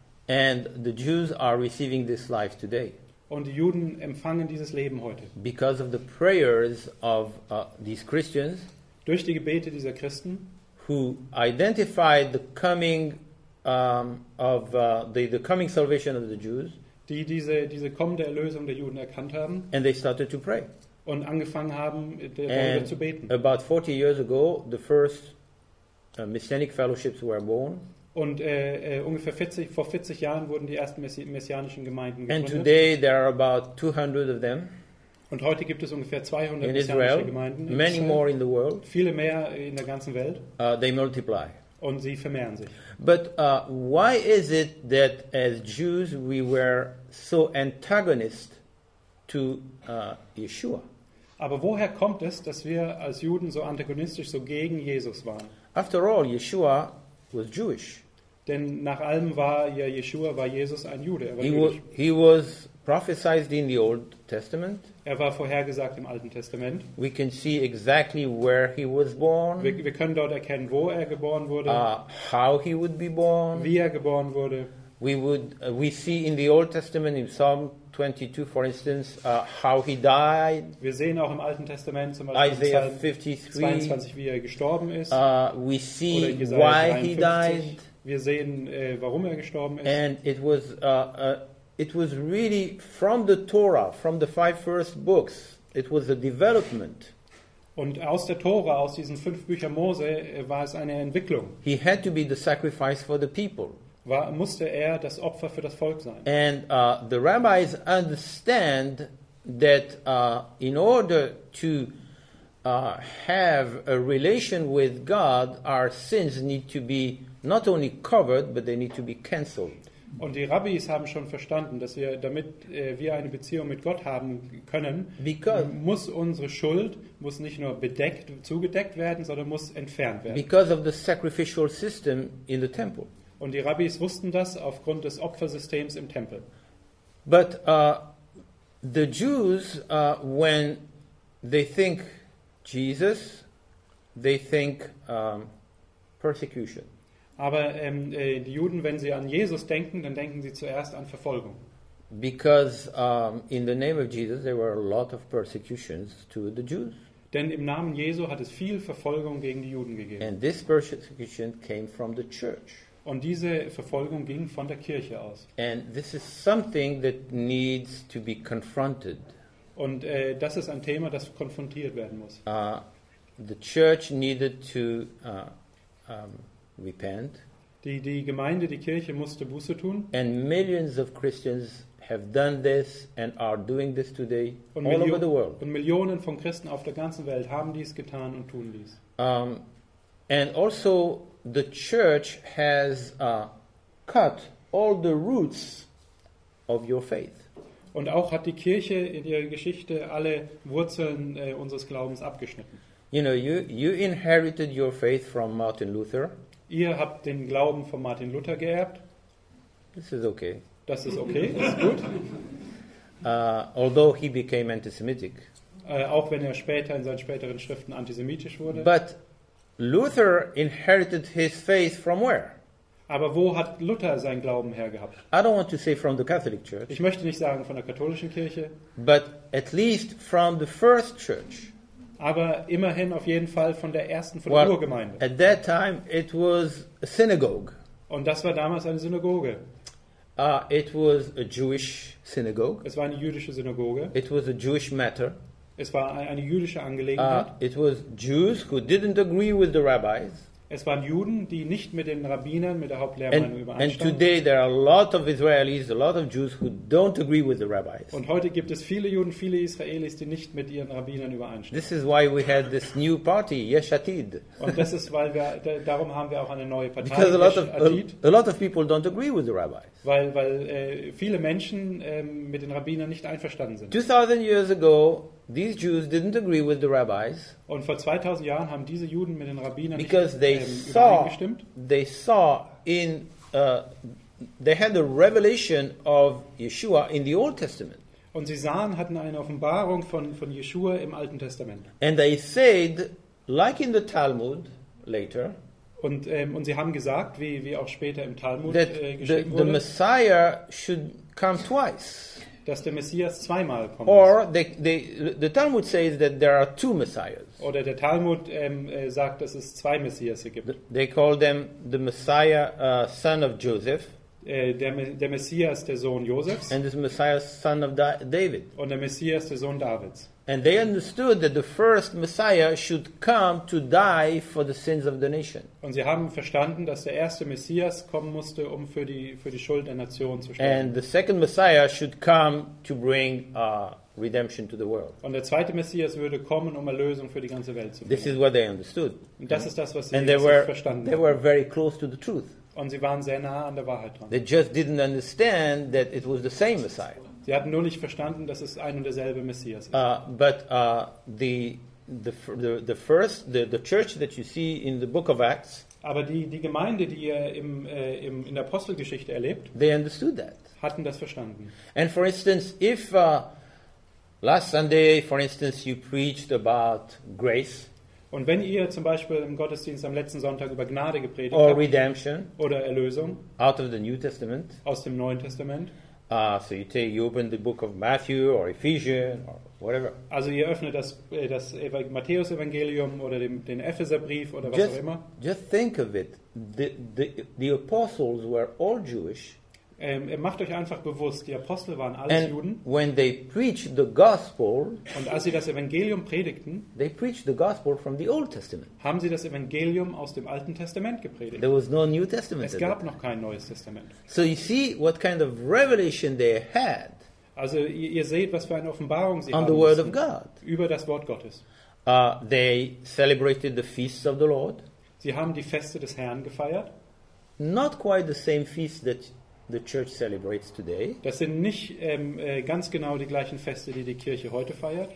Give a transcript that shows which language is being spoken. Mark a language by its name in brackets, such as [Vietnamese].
[English] And the Jews are receiving this life today. [German] Und die Juden empfangen dieses Leben heute. [English] Because of the prayers of these Christians. [German] Durch die Gebete dieser Christen. [English] Who identified the coming of the coming salvation of the Jews. [German] Die diese kommende Erlösung der Juden erkannt haben. [English] And they started to pray. [German] Und angefangen haben, darüber zu beten. [English] About 40 years ago, the first messianic fellowships were born. [German] Und vor 40 Jahren wurden die ersten messianischen Gemeinden gegründet. [English] And today there are about 200 of them. [German] Und heute gibt es ungefähr 200 messianische Gemeinden. [English] Many more in the world. [German] Viele mehr in der ganzen Welt. [English] They multiply. [German] Und sie vermehren sich. [English] But why is it that as Jews we were so antagonist to Yeshua? [German] Aber woher kommt es, dass wir als Juden so antagonistisch, so gegen Jesus waren? [English] After all, Yeshua was Jewish. [German] Denn nach allem war ja Yeshua, war Jesus ein Jude. Er war [English] he was prophesied in the Old Testament. [German] Er war vorhergesagt im Alten Testament. [English] We can see exactly where he was born. [German] Wir können dort erkennen, wo er geboren wurde. [English] How he would be born. [German] Wie er geboren wurde. [English] We see in the Old Testament in Psalm 22, for instance, how he died. [German] Wir sehen auch im Alten Testament zum Beispiel [English] Isaiah 53, [German] 22, wie er gestorben ist. [English] We see why 53. He died. [German] Wir sehen, warum er gestorben ist. [English] And it was really from the Torah, from the five first books. It was a development. [German] Und aus der Tora, aus diesen fünf Büchern Mose, war es eine Entwicklung. [English] He had to be the sacrifice for the people. [German] Musste er das Opfer für das Volk sein. [English] And the rabbis understand that in order to have a relation with God, our sins need to be not only covered, but they need to be cancelled. [German] Und die Rabbis haben schon verstanden, dass wir, damit wir eine Beziehung mit Gott haben können, [English] because [German] muss unsere Schuld muss nicht nur bedeckt, zugedeckt werden, sondern muss entfernt werden. [English] Because of the sacrificial system in the temple. [German] Und die Rabbis wussten das aufgrund des Opfersystems im Tempel. [English] But the Jews, when they think Jesus, they think persecution. [German] Aber die Juden, wenn sie an Jesus denken, dann denken sie zuerst an Verfolgung. [English] Because in the name of Jesus there were a lot of persecutions to the Jews. [German] Denn im Namen Jesu hat es viel Verfolgung gegen die Juden gegeben. [English] And this persecution came from the church. [German] Und diese Verfolgung ging von der Kirche aus. [English] And this is something that needs to be confronted. [German] Und das ist ein Thema, das konfrontiert werden muss. [English] The church needed to repent. [German] Die Gemeinde, die Kirche musste Buße tun. [English] And millions of Christians have done this and are doing this today all over the world. [German] Und Millionen von Christen auf der ganzen Welt haben dies getan und tun dies. [English] And also the church has cut all the roots of your faith. [German] Und auch hat die Kirche in ihrer Geschichte alle Wurzeln unseres Glaubens abgeschnitten. [English] You know, you inherited your faith from Martin Luther. [German] Ihr habt den Glauben von Martin Luther geerbt. [English] This is okay. [German] Das ist okay, das ist gut. [English] Although he became antisemitic. [German] Auch wenn er später in seinen späteren Schriften antisemitisch wurde. [English] But Luther inherited his faith from where? [German] Aber wo hat Luther seinen Glauben hergehabt? [English] I don't want to say from the Catholic Church. [German] Ich möchte nicht sagen von der katholischen Kirche. [English] But at least from the first church. [German] Aber immerhin auf jeden Fall von der ersten, von der Urgemeinde. [English] At that time it was a synagogue. [German] Und das war damals eine Synagoge. [English] It was a Jewish synagogue. [German] Es war eine jüdische Synagoge. [English] It was a Jewish matter. [German] Es war eine jüdische Angelegenheit. [English] It was Jews who didn't agree with the rabbis. [German] Es waren Juden, die nicht mit den Rabbinern, mit der Hauptlehrmeinung übereinstimmen. [English] And today there are a lot of Israelis, a lot of Jews who don't agree with the rabbis. [German] Und heute gibt es viele Juden, viele Israelis, die nicht mit ihren Rabbinern übereinstimmen. [English] This is why we had this new party, Yesh Atid. [German] Und das ist, weil wir darum haben wir auch eine neue Partei, [English] Because a lot of people don't agree with the rabbis. [German] Weil viele Menschen mit den Rabbinern nicht einverstanden sind. [English] 2000 years ago these Jews didn't agree with the rabbis. [German] Und vor 2000 Jahren haben diese Juden mit den Rabbinern nicht übereingestimmt. [English] They saw in they had a revelation of Yeshua in the Old Testament. [German] Und sie sahen, hatten eine Offenbarung von Yeshua im Alten Testament. [English] And they said, like in the Talmud later. [German] Und sie haben gesagt, wie auch später im Talmud geschrieben wurde. [English] The Messiah should come twice. [German] Dass der Messias zweimal kommt. [English] Or the Talmud says that there are two Messiahs. [German] Oder der Talmud sagt, dass es zwei Messias gibt. [English] They call them the Messiah, son of Joseph. [German] Der Messias, der Sohn Josefs. [English] And the Messiah, son of David. [German] Und der Messias, der Sohn Davids. [English] And they understood that the first Messiah should come to die for the sins of the nation. [German] Und sie haben verstanden, dass der erste Messias kommen musste, um für die Schuld der Nation zu sterben. [English] And the second Messiah should come to bring redemption to the world. [German] Und der zweite Messias würde kommen, um Erlösung für die ganze Welt zu bringen. [English] This is what they understood. [German] Und das ist das, was sie verstanden haben. [English] They were very close to the truth. [German] Und sie waren sehr nah an der Wahrheit dran. [English] They just didn't understand that it was the same Messiah. [German] Sie hatten nur nicht verstanden, dass es ein und derselbe Messias ist. [English] But the church that you see in the book of Acts. [German] Aber die Gemeinde, die ihr in der Apostelgeschichte erlebt. [English] They understood that. [German] Hatten das verstanden. [English] And for instance, if last Sunday, for instance, you preached about grace. [German] Und wenn ihr zum Beispiel im Gottesdienst am letzten Sonntag über Gnade gepredigt [English] or [German] habt, [English] redemption, [German] oder Erlösung, [English] out of the New Testament, [German] aus dem Neuen Testament, [English] so you open the book of Matthew or Ephesians or whatever. [German] Also ihr öffnet das Matthäus-Evangelium oder den Epheserbrief oder was [English] just, [German] auch immer. [English] Just think of it. The apostles were all Jewish. [German] Macht euch einfach bewusst, die Apostel waren alle [English] and [German] Juden. [English] When they preached the gospel, [German] und als sie das Evangelium predigten, [English] they preached the gospel from the Old Testament. [German] Haben sie das Evangelium aus dem Alten Testament gepredigt. [English] There was no New Testament. [German] Es gab noch kein Neues Testament. [English] So you see what kind of revelation they had. [German] Also ihr seht, was für eine Offenbarung sie [English] on the word of God. [German] Über das Wort Gottes. [English] They celebrated the feasts of the Lord. [German] Sie haben die Feste des Herrn gefeiert. [English] Not quite the same feasts that the church celebrates today. [German] Das sind nicht ganz genau die gleichen Feste, die die Kirche heute feiert.